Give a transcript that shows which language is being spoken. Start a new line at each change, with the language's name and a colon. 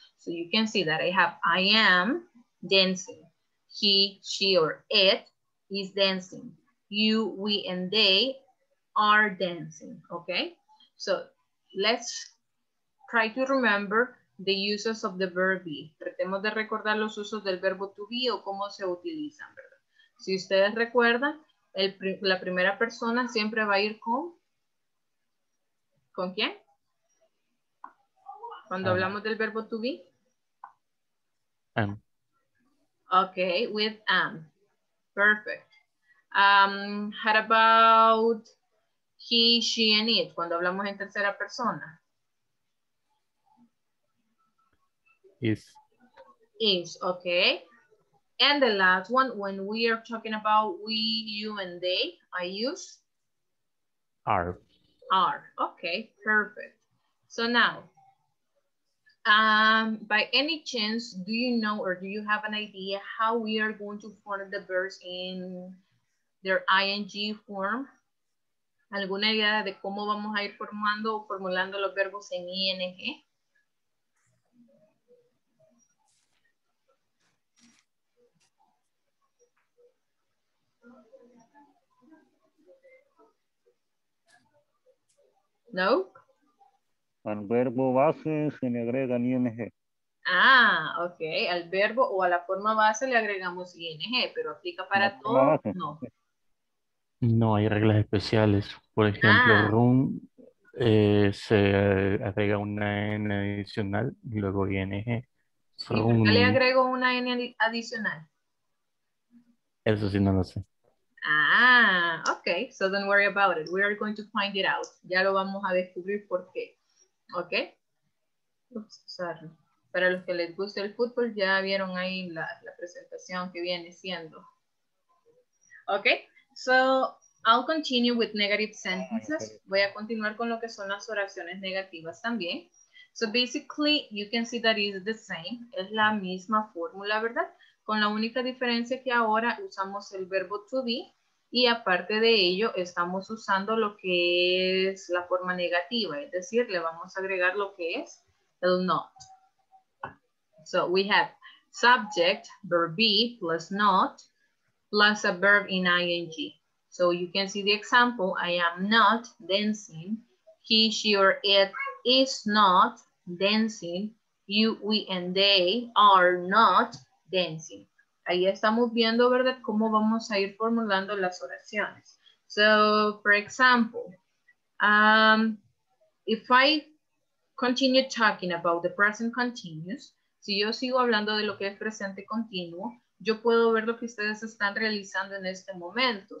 English: So you can see that I have, I am dancing. He, she, or it is dancing. You, we, and they are dancing, okay? So let's try to remember the uses of the verb be.
Spanish: Tratemos de recordar los usos del verbo to be o cómo se utilizan, ¿verdad? Si ustedes recuerdan, la primera persona siempre va a ir con... ¿Con quién? Cuando hablamos del verbo to be.
English: Am. Okay, with am. Perfect. How about he, she, and it?
Spanish: Cuando hablamos en tercera persona.
English: Is. Is, okay. And the last one, when we are talking about we, you, and they, I use? Am. are. Are, okay, perfect. So now, by any chance, do you know or do you have an idea how we are going to form the verbs in their ing form?
Spanish: ¿Alguna idea de cómo vamos a ir formando o formulando los verbos en ing? No. Al verbo base se le agrega ing. Ah, ok. Al verbo o a la forma base le agregamos ing, pero aplica para todo. No. No hay reglas especiales. Por ejemplo, room se agrega una N adicional y luego ING. ¿Por qué le agrego una N adicional? Eso sí, no lo sé. Ah, ok.
English: So don't worry about it. We are going to find it out.
Spanish: Ya lo vamos a descubrir por qué. Ok. Ups, sorry. Para los que les gusta el fútbol, ya vieron ahí la presentación que viene siendo. Ok.
English: So I'll continue with negative sentences.
Spanish: Voy a continuar con lo que son las oraciones negativas también.
English: So basically, you can see that it's the same.
Spanish: Es la misma fórmula, ¿verdad? Con la única diferencia que ahora usamos el verbo to be y aparte de ello, estamos usando lo que es la forma negativa. Es decir, le vamos a agregar lo que es el not.
English: So we have subject, verb be, plus not, plus a verb in ing. So you can see the example, I am not dancing, he, she, or it is not dancing, you, we, and they are not dancing.
Spanish: Ahí estamos viendo, ¿verdad?, cómo vamos a ir formulando las oraciones.
English: So, for example, if I continue talking about the present continuous,
Spanish: si yo sigo hablando de lo que es presente continuo, yo puedo ver lo que ustedes están realizando en este momento.